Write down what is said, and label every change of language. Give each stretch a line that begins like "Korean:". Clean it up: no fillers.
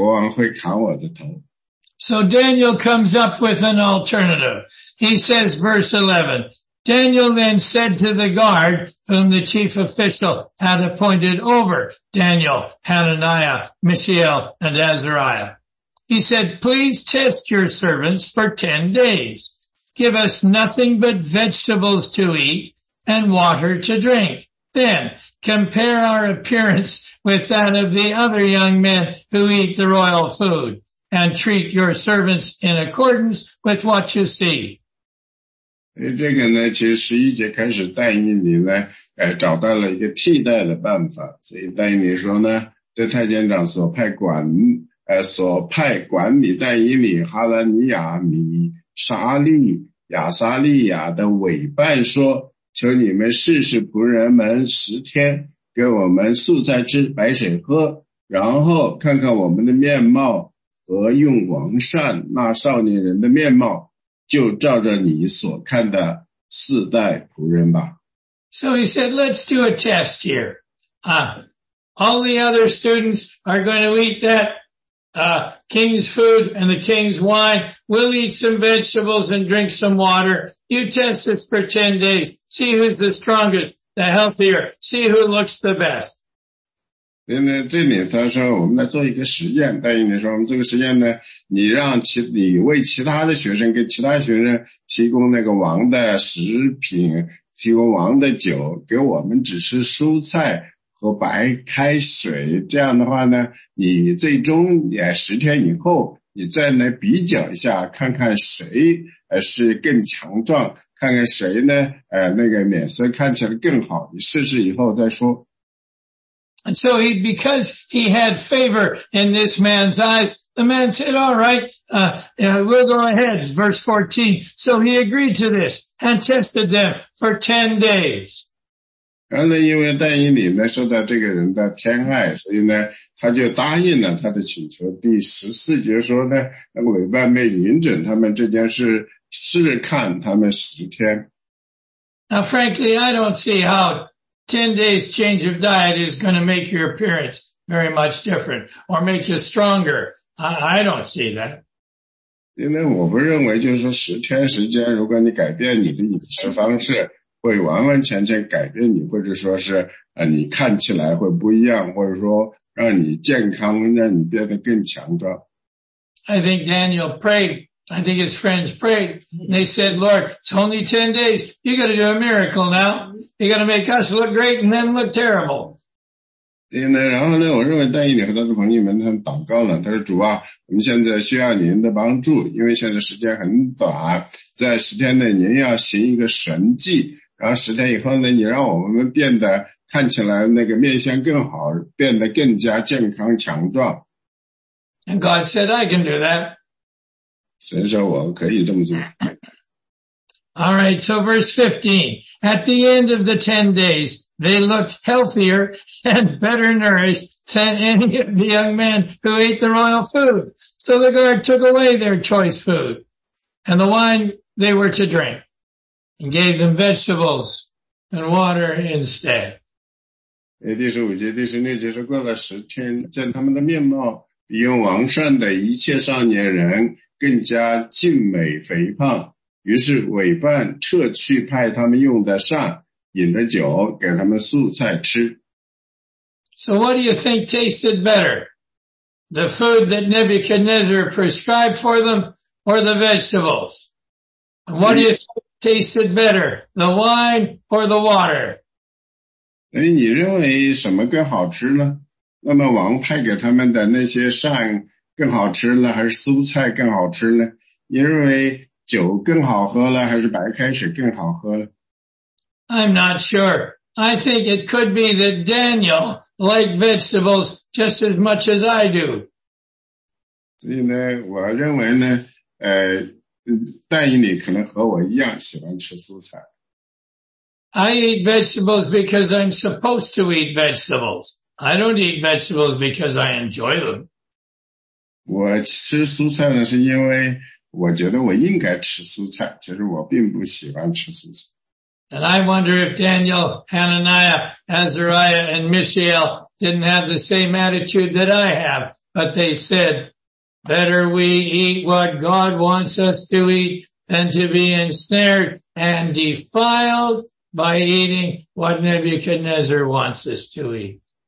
Chinese: 这个太监呢，实际上他是在大学里掌管他们这些事情的，所以他说我会严格的按照那个国王提供的食物来喂你们，否则的话，国王会砍我的头。
English: So Daniel comes up with an alternative. He says, verse 11, Daniel then said to the guard whom the chief official had appointed over Daniel, Hananiah, Mishael, and Azariah. He said, please test your servants for 10 days. Give us nothing but vegetables to eat and water to drink. Then compare our appearance with that of the other young men who eat the royal food and treat your servants in accordance with what you see.
Chinese: 这个呢，其实11节开始，但以理呢，找到了一个替代的办法。所以但以理说呢。这太监长所派管所派管理但以理哈兰尼亚米沙利亚沙利亚的委办说，求你们试试仆人们十天给我们素菜吃白水喝，然后看看我们的面貌和用王善那少年人的面貌，就照着你所看的四代仆人吧。
English: So he said, let's do a test here. All the other students are going to eat that king's food and the king's wine. We'll eat some vegetables and drink some water. You test us for 10 days. See who's the strongest, the healthier. See who looks the best.
Chinese: 因为这里他说我们来做一个实验，但是你说我们这个实验呢，你让你为其他的学生给其他学生提供那个王的食品，提供王的酒，给我们只吃蔬菜和白开水，这样的话呢，你最终也十天以后你再来比较一下，看看谁是更强壮，看看谁呢那个脸色看起来更好，你试试以后再说。
English: And so he, because he had favor in this man's eyes, the man said, all right, we'll go ahead, verse 14. So he agreed to this and tested them for 10 days.
Chinese: 然后呢，因为但以理呢受到这个人的偏爱，所以呢他就答应了他的请求。第14节说呢，那个委办没允准他们这件事，试看他们十天。
English: Now frankly, I don't see how 10 days change of diet is going to make your appearance very much different or make you stronger. I don't see that.
Chinese: 因为我不认为就是十天时间，如果你改变你的饮食方式，会完完全全改变你，或者说是你看起来会不一样，或者说让你健康，让你变得更强壮。
English: I think Daniel prayed. I think his friends prayed. They said, Lord, it's only 10 days. You got to do a miracle now. You got to make us look great and then look terrible.
Chinese: 对呢，然后呢，我认为但以理和他的朋友们他们祷告了，他说主啊，我们现在需要您的帮助，因为现在时间很短，在十天内您要行一个神迹，然后十天以后呢，你让我们变得看起来那个面相更好，变得更加健康强壮。
English: And God said, I can do that.
Chinese: 神说我可以这么做。
English: All right, so verse 15. At the end of the 10 days, they looked healthier and better nourished than any of the young men who ate the royal food. So the guard took away their choice food and the wine they were to drink and gave them vegetables and water instead.
Chinese: 第十五节第十六节是过了十天，见他们的面貌比用王善的一切少年人更加俊美肥胖，于是委办撤去派他们用的膳饮的酒，给他们素菜吃。
English: So what do you think tasted better? The food that Nebuchadnezzar prescribed for them or the vegetables? What do you think tasted better? The wine or the water?
Chinese: 你认为什么更好吃呢？那么王派给他们的那些膳更好吃呢，还是素菜更好吃呢？你认为酒更好喝了，还是白开水更好喝了？
English: I'm not sure. I think it could be that Daniel liked vegetables just as much as I do.
Chinese: 所以呢，我认为呢，但以理可能和我一样喜欢吃蔬菜。
English: I eat vegetables because I'm supposed to eat vegetables. I don't eat vegetables because I enjoy them.
Chinese: 我吃蔬菜呢，是因为我觉得我应该吃蔬菜，其实我并不喜欢吃蔬菜。
English: And I wonder if Daniel, Hananiah, Azariah, and Mishael didn't have the same attitude that I have, but they said, better we eat what God wants us to eat than to be ensnared and defiled by eating what Nebuchadnezzar wants us to eat.